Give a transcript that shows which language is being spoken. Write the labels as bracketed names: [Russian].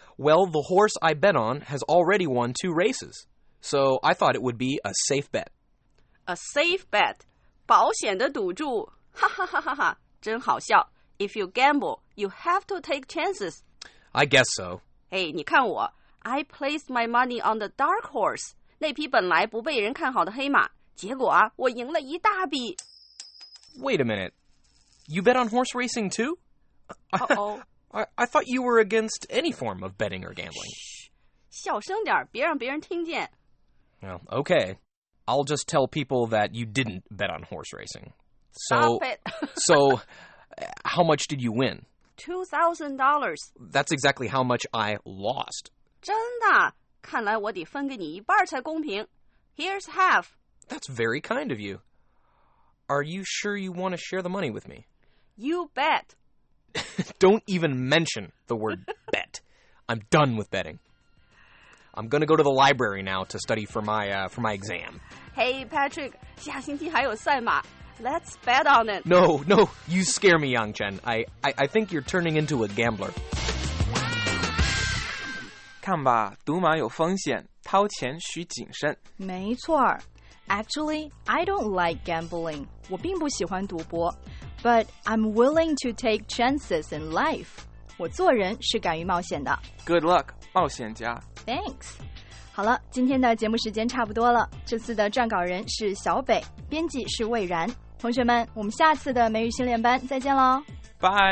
[English] Well, the horse I bet on has already won two races, so I thought it would be a safe bet. A safe bet? [Chinese] 保险的赌注?Ha ha ha ha ha, 真好笑。 [English] If you gamble, you have to take chances. I guess so. Hey, [Chinese] 你看我 [English] I placed my money on the dark horse. [Chinese] 那匹本来不被人看好的黑马。结果啊，我赢了一大笔。 [English] Wait a minute. You bet on horse racing too? Uh-oh. I thought you were against any form of betting or gambling. [Chinese] 小声点，别让别人听见。 [English] Well, okay. I'll just tell people that you didn't bet on horse racing. So, Stop it. So, how much did you win? $2,000. That's exactly how much I lost. [Chinese] 真的？看来我得分给你一半才公平。 [English] Here's half. That's very kind of you. Are you sure you want to share the money with me? You bet. Don't even mention the word bet. I'm done with betting. I'm going to go to the library now to study for my exam. Hey, Patrick, [Chinese] 下星期还有赛马。 [English] Let's bet on it. No, no, you scare me, Yangchen. I think you're turning into a gambler. [Chinese] 看吧，赌马有风险，掏钱需谨慎。没错。 [English] Actually, I don't like gambling. [Chinese] 我并不喜欢赌博。 [English] But I'm willing to take chances in life. [Chinese] 我做人是敢于冒险的。 [English] Good luck, [Chinese] 冒险家。 [English] Thanks. [Chinese] 好了，今天的节目时间差不多了。这次的撰稿人是小北，编辑是魏然。同学们，我们下次的美语训练班再见喽！拜。